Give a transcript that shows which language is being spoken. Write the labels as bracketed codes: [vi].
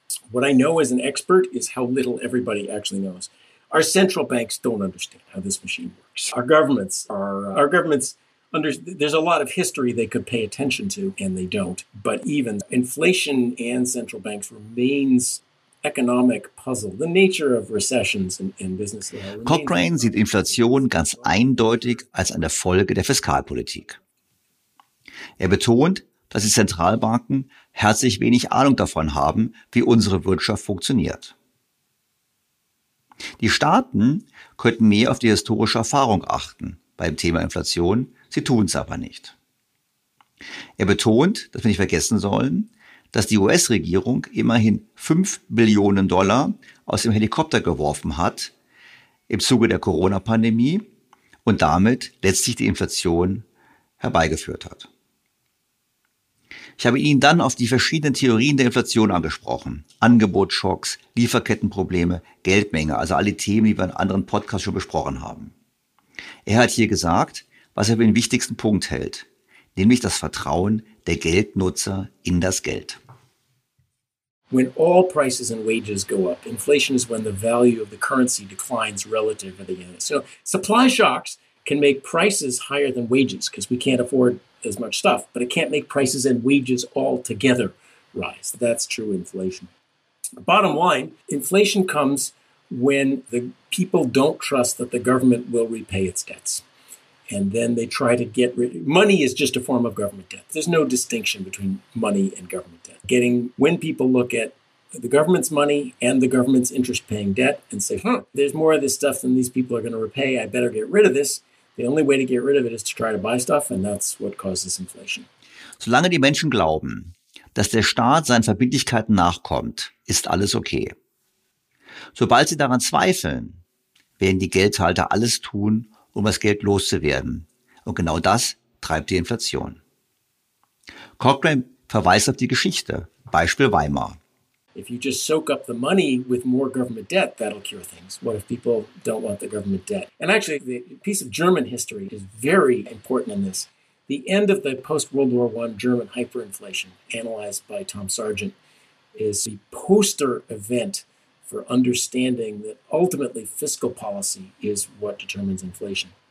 [en] What I know as an expert is how little everybody actually knows. Our central banks don't understand how this machine works. Our governments, there's a lot of history they could pay attention to, and they don't. But even inflation and central banks remains economic puzzle, the nature of recessions in business. [de] Cochrane sieht Inflation ganz eindeutig als eine Folge der Fiskalpolitik. Er betont, dass die Zentralbanken herzlich wenig Ahnung davon haben, wie unsere Wirtschaft funktioniert. Die Staaten könnten mehr auf die historische Erfahrung achten beim Thema Inflation, sie tun es aber nicht. Er betont, dass wir nicht vergessen sollen, dass die US-Regierung immerhin 5 Billionen Dollar aus dem Helikopter geworfen hat im Zuge der Corona-Pandemie und damit letztlich die Inflation herbeigeführt hat. Ich habe ihn dann auf die verschiedenen Theorien der Inflation angesprochen. Angebotsschocks, Lieferkettenprobleme, Geldmenge, also alle Themen, die wir in anderen Podcasts schon besprochen haben. Er hat hier gesagt, was er für den wichtigsten Punkt hält, nämlich das Vertrauen der Geldnutzer in das Geld. [en] When all prices and wages go up, inflation is when the value of the currency declines relative to the unit. So supply shocks can make prices higher than wages because we can't afford as much stuff, but it can't make prices and wages altogether rise. That's true inflation. Bottom line, inflation comes when the people don't trust that the government will repay its debts. And then they try to get rid of money. Is just a form of government debt. There's no distinction between money and government debt. Getting when people look at the government's money and the government's interest paying debt and say, there's more of this stuff than these people are going to repay. I better get rid of this. The only way to get rid of it is to try to buy stuff. And that's what causes inflation. [de] Solange die Menschen glauben, dass der Staat seinen Verbindlichkeiten nachkommt, ist alles okay. Sobald sie daran zweifeln, werden die Geldhalter alles tun, um das Geld loszuwerden. Und genau das treibt die Inflation. Cochrane verweist auf die Geschichte, Beispiel Weimar. [en] If you just soak up the money with more government debt, that'll cure things. What if people don't want the government debt? And actually, the piece of German history is very important in this. The end of the post-World War I German hyperinflation, analyzed by Tom Sargent, is the poster event for understanding that ultimately fiscal policy is what determines inflation.